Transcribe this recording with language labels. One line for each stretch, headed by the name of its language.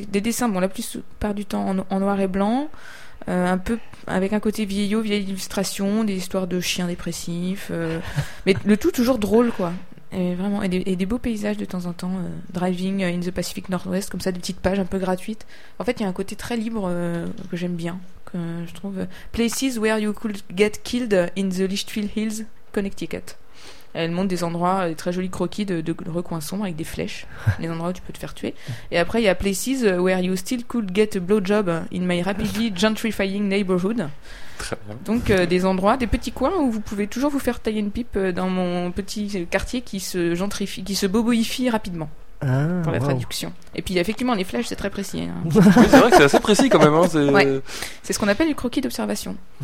French: C'est des dessins, bon, la plupart du temps en noir et blanc, un peu avec un côté vieillot, vieille illustration, des histoires de chiens dépressifs, mais le tout toujours drôle, quoi. Et vraiment, et des beaux paysages de temps en temps,
English: driving in the Pacific Northwest,
French: comme ça, des petites pages un peu gratuites. En fait, il y a un côté très libre que j'aime bien, que je trouve.
English: Places where you could get killed in the Litchfield Hills, Connecticut.
French: Elle montre des endroits, des très jolis croquis de recoins sombres avec des flèches, les endroits où tu peux te faire tuer. Et après, il y a
English: places where you still could get a blowjob in my rapidly gentrifying neighborhood.
French: Très bien. Donc des endroits, des petits coins où vous pouvez toujours vous faire tailler une pipe dans mon petit quartier qui se gentrifie, qui se boboifie rapidement. Ah, pour la traduction. Et puis effectivement les flèches c'est très précis. Hein. Oui, c'est vrai que c'est assez précis quand même. Hein, c'est... Ouais. C'est ce qu'on appelle le croquis d'observation.